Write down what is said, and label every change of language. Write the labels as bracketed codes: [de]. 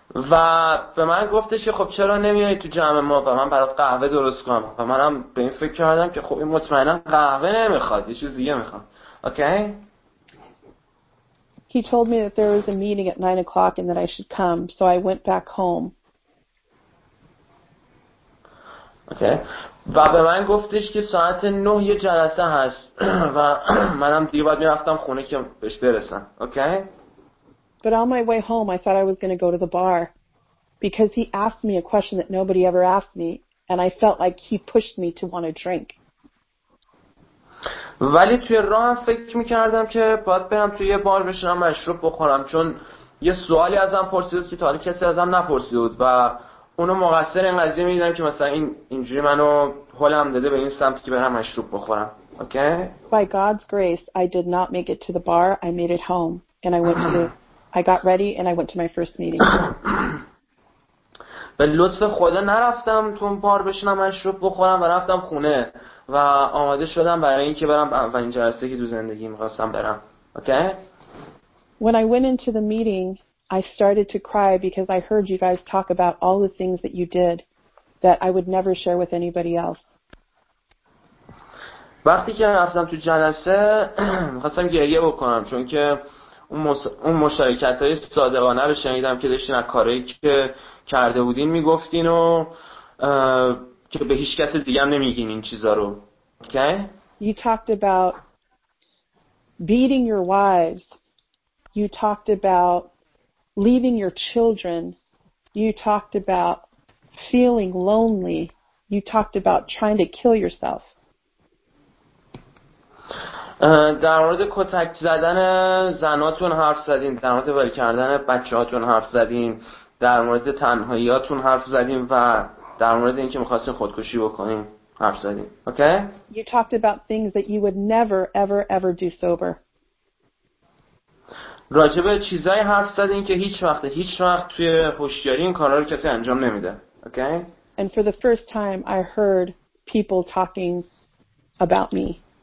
[fa] و به من گفتش که خب چرا نمیای تو جمع ما و من برات قهوه درست کنم. و منم به این فکر کردم که خب این مطمئنا قهوه نمیخواد، یه چیز دیگه میخوام. [en] Okay? He told me that there was a meeting at 9 o'clock and that I should come. So I went back home. Okay. [fa] و به من گفتش که ساعت 9 یه جلسه هست و منم دیگه باید میرفتم خونه که بهش برسم. [en] Okay? But on my way home, I thought I was going to go to the bar because he asked me a question that nobody ever asked me, and I felt like he pushed me to want to drink. [fa] ولی توی راه فکر میکردم که باید برم توی یه بار بشنم مشروب بخورم، چون یه سوالی ازم پرسید که تا حالا کسی ازم نپرسید و اونو مقصر این قضیه میدیدم که مثلا اینجوری منو هلم داده به این سمت که برم مشروب بخورم. [en] Okay? By God's grace, I did not make it to the bar. I made it home, and I went to I got ready and I went to my first meeting. [fa] به لطف خدا نرفتم تو اون بار بشنم مشروب بخورم و رفتم خونه و آماده شدم برای اینکه برم اولین جلسه که تو زندگی می‌خواستم برم. [en] Okay? When I went into the meeting, I started to cry because I heard you guys talk about all the things that you did that I would never share with anybody else. [fa] وقتی که رفتم تو جلسه می‌خواستم گریه بکنم، چون که اون مشارکت‌های صادقانه رو شنیدم که داشتین از کارهایی که کرده بودین میگفتین و که به هیچ کس دیگه هم نمیگین این چیزا رو. [en] Okay? You talked about beating your wives. You talked about leaving your children. You talked about feeling lonely. You talked about trying to kill yourself. [fa] در مورد کتک زدن زناتون حرف زدین، در مورد ول کردن بچه‌هاتون حرف زدین، در مورد تنهاییاتون حرف زدین و در مورد اینکه می‌خواستین خودکشی بکنین حرف زدین. [en] Okay? You talked about things that you would never ever ever do sober. [fa] راجب چیزایی حرف زدین که هیچ وقت توی هوشیاری این کارا رو کسی انجام نمیده. [en] Okay? And for the first time I heard people talking about me.